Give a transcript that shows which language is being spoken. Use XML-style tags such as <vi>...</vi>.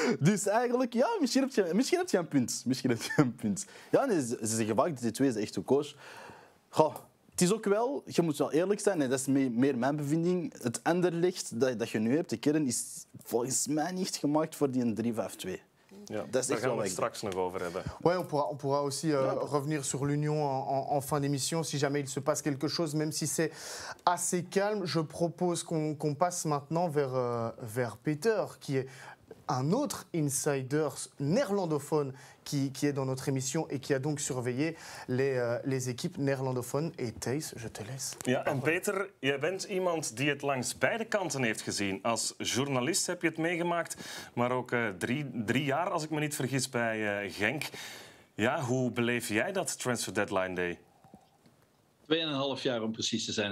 <nl>Dus eigenlijk, ja, misschien heb je een punt. Misschien heb je een punt. Ja, nee, ze zeggen vaak, de T2 is de echte coach. Goh. Het is ook wel, je moet wel eerlijk zijn, nee, dat is meer mijn bevinding. Het Anderlecht dat je nu hebt, de kern, is volgens mij niet gemaakt voor die 3-5-2. Ja, daar gaan we het straks nog over hebben.</nl> <fr>Ouais, on pourra aussi revenir sur l'Union en fin d'émission si jamais il se passe quelque chose, même si c'est assez calme. Je propose qu'on passe maintenant vers Peter, qui est un autre insider néerlandophone qui est dans notre émission et qui a donc surveillé les équipes néerlandophones. Et Thijs, je te laisse.</fr> <nl>Ja, en Peter, jij bent iemand die het langs beide kanten heeft gezien. Als journalist heb je het meegemaakt, maar ook drie jaar, als ik me niet vergis, bij Genk. Ja, hoe beleef jij dat Transfer Deadline Day? 2,5 jaar om precies te zijn.</nl>